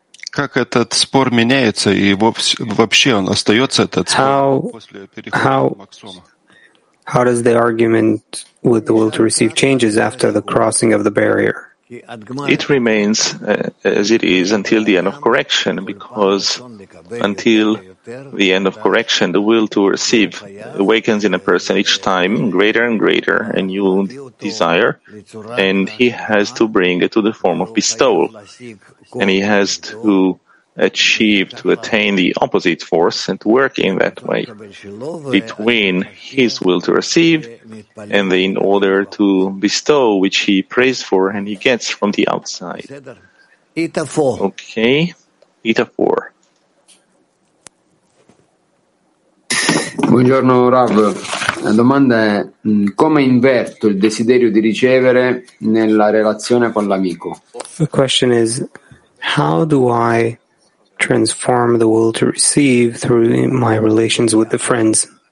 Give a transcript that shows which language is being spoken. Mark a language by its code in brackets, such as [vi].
[ru] Как этот спор меняется, и вообще он остается, этот спор, после перехода Максома? [en] How does the argument with the will to receive changes after the crossing of the barrier? It remains as it is until the end of correction, because until the end of correction, the will to receive awakens in a person each time greater and greater, a new desire, and he has to bring it to the form of bestowal, and he has to achieve, to attain the opposite force and to work in that way between his will to receive and the in order to bestow, which he prays for and he gets from the outside. Okay, Ita 4. [it] Buongiorno Rav, la domanda è come inverto il desiderio di ricevere nella relazione con l'amico? [en] The question is, how do I transform the will to receive through my relations with the friends?